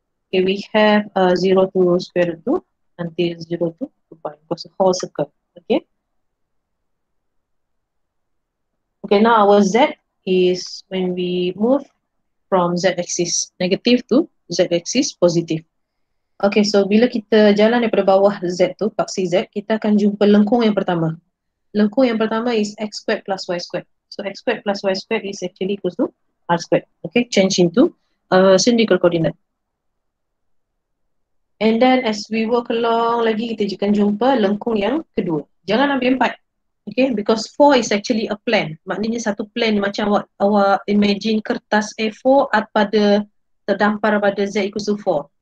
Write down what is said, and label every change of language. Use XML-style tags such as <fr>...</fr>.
<en>Okay, we have 0 to square root 2 until 0 to 2 pi because the whole circle, okay? Okay, now our z is when we move from z-axis negative to z-axis positive.</en> <ms>Okay, so bila kita jalan daripada bawah Z tu, paksi Z, kita akan jumpa lengkung yang pertama. Lengkung yang pertama</ms> <en>is X squared plus Y squared. So, X squared plus Y squared is actually equals to R squared. Okay, change into cylindrical coordinate. And then, as we walk along</en> <ms>lagi, kita akan jumpa lengkung yang kedua. Jangan ambil empat.</ms> <en>Okay, because four is actually a plan.</en> <ms>Maknanya satu plan macam awak imagine kertas A4 pada terdampar pada Z equals to 4.</ms>